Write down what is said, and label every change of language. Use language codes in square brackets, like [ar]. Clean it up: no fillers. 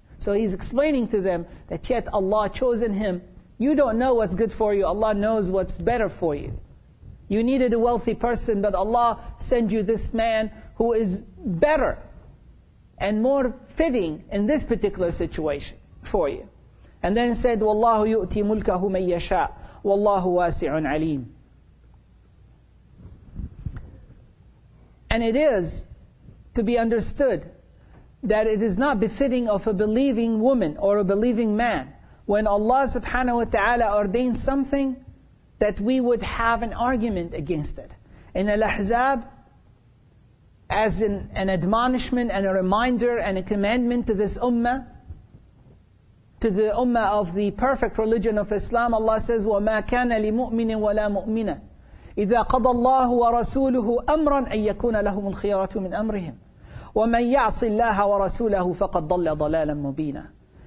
[en] So he's explaining to them that yet Allah chosen him. You don't know what's good for you. Allah knows what's better for you. You needed a wealthy person, but Allah sent you this man who is better and more fitting in this particular situation for you. And then said, [ar] وَاللَّهُ يُؤْتِي مُلْكَهُ مَنْ يَشَاءُ وَاللَّهُ وَاسِعٌ عَلِيمٌ. [en] And it is to be understood that it is not befitting of a believing woman or a believing man when Allah subhanahu wa ta'ala ordains something that we would have an argument against it. In Al-Ahzab, as in an admonishment and a reminder and a commandment to this ummah, to the ummah of the perfect religion of Islam, Allah says, [ar] وَمَا كَانَ لِمُؤْمِنٍ وَلَا مُؤْمِنًا إِذَا قَضَى اللَّهُ وَرَسُولُهُ أَمْرًا أَن يَكُونَ لَهُمُ الْخِيَرَةُ مِنْ أَمْرِهِمْ وَمَنْ يَعْصِ اللَّهَ وَرَسُولَهُ فَقَدْ ضَلَّ ضَلَالًا مُبِينًا.